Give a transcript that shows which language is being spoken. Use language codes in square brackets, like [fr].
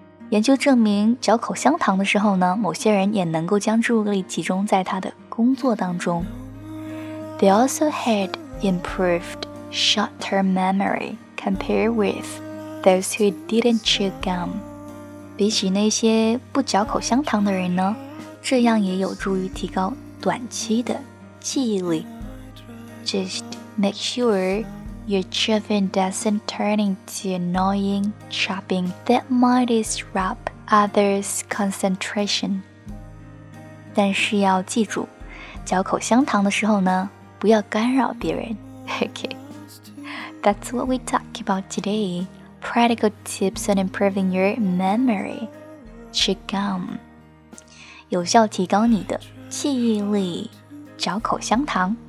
[zh] 研究证明，嚼口香糖的时候呢，某些人也能够将注意力集中在他的工作当中。 [en] They also had improved short-term memory compared with those who didn't chew gum. [zh] 比起那些不嚼口香糖的人呢，这样也有助于提高短期的记忆力。 [en] Just make sure your chewing doesn't turn into annoying chopping that might disrupt others' concentration. [zh] 但是要记住，嚼口香糖的时候呢，不要干扰别人。 [en] Okay, that's what we talk about today. Practical tips on improving your memory. Chew gum. [zh] 有效提高你的记忆力，嚼口香糖。